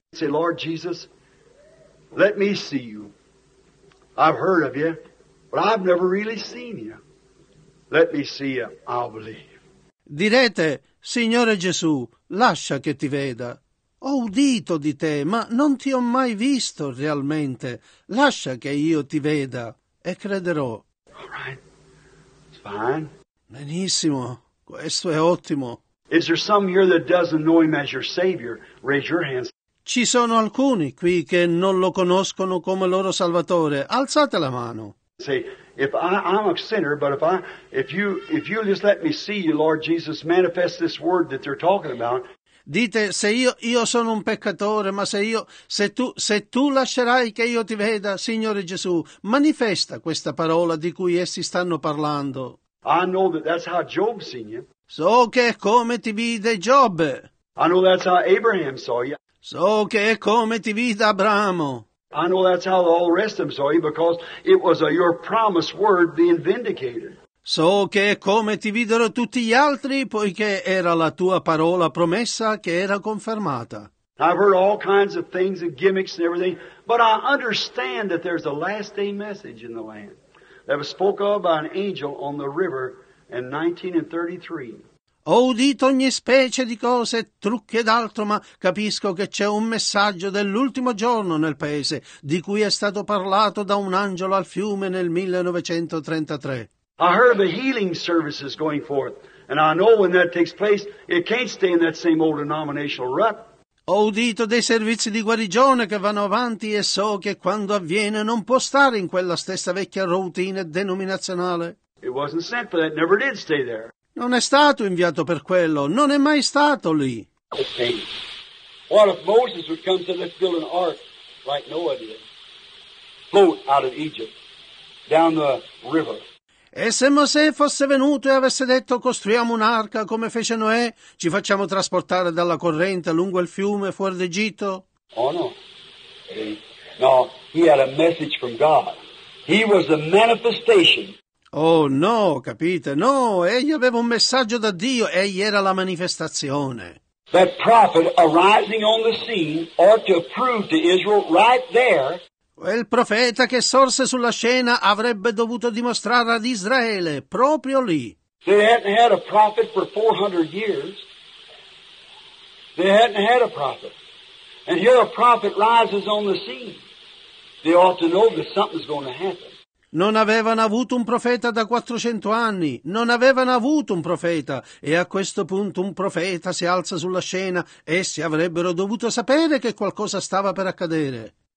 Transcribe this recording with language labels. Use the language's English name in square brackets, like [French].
[English] Say, Lord Jesus, let me see you. I've heard of you, but I've never really seen you. Let me see you, I'll believe. [Italian] Direte, Signore Gesù, lascia che ti veda. Ho udito di te, ma non ti ho mai visto realmente. Lascia che io ti veda e crederò. [English] All right. It's fine. [Italian] Benissimo, questo è ottimo. [English] Is there some here that doesn't know him as your Savior? Raise your hands. [Italian] Ci sono alcuni qui che non lo conoscono come loro Salvatore. Alzate la mano. [English] Say, if I'm a sinner, but if you just let me see you, Lord Jesus, manifest this word that they're talking about. [Italian] Dite, se io sono un peccatore, ma se tu lascerai che io ti veda, Signore Gesù, manifesta questa parola di cui essi stanno parlando. [English] I know that that's how Job seen you. [Italian] So che è come ti vide Giobbe. [English] I know that's how Abraham saw you. [Italian] So che è come ti vide Abramo. [English] I know that's how all the rest of them saw you, because it was your promised word being vindicated. [Italian] So che è come ti videro tutti gli altri, poiché era la tua parola promessa che era confermata. [English] I've heard all kinds of things and gimmicks and everything, but I understand that there's a last day message in the land that was spoken of by an angel on the river in 1933. [Italian] Ho udito ogni specie di cose, trucchi ed altro, ma capisco che c'è un messaggio dell'ultimo giorno nel paese, di cui è stato parlato da un angelo al fiume nel 1933. [English] I heard of a healing services going forth, and I know when that takes place, it can't stay in that same old denominational rut. [Italian] Ho udito dei servizi di guarigione che vanno avanti e so che quando avviene non può stare in quella stessa vecchia routine denominazionale. [English] It wasn't sent for that, never did stay there. [Italian] Non è stato inviato per quello, non è mai stato lì. [English] Okay. What if Moses would come to let's build an ark like Noah did? Float out of Egypt, down the river. E se Mosè fosse venuto e avesse detto costruiamo un'arca come fece Noè, ci facciamo trasportare dalla corrente lungo il fiume fuori d'Egitto? Oh no. No, he had a message from God. He was the manifestation. [Italian] Oh no, capite? No, egli aveva un messaggio da Dio, egli era la manifestazione. [English] That prophet arising on the scene ought to prove to Israel right there. [Italian] Quel profeta che sorse sulla scena avrebbe dovuto dimostrare ad Israele proprio lì. [English] They hadn't had a prophet for 400 years. They hadn't had a prophet. And here a prophet rises on the scene. They ought to know that something's going to happen. [Italian] Non avevano avuto un profeta da 400 anni, non avevano avuto un profeta, e a questo punto un profeta si alza sulla scena, essi avrebbero dovuto sapere che qualcosa stava per accadere.